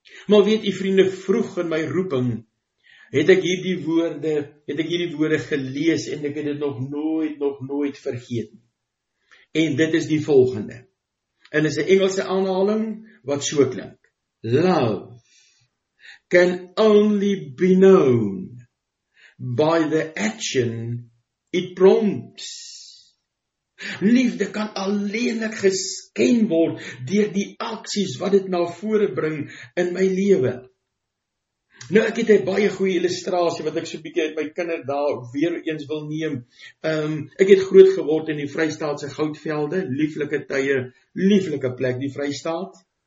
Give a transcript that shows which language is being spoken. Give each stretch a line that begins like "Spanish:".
Afrikaans: Maar weet jy vriende, vroeg in my roeping, het ek hierdie woorde gelees en ek het dit nog nooit vergeet. En dit is die volgende. En is 'n Engelse aanhaling wat so klink.
English: Love can only be known by the action it prompts.
Afrikaans: Liefde kan alleenlik gesken word deur die aksies wat dit na vore bring in my lewe. Nou, ek het 'n baie goeie illustrasie wat ek so 'n bietjie uit my kinderdae weer eens wil neem. Ek het groot geword in die Vrystaat se goudvelde, lieflike tye, lieflike plek, die Vrystaat.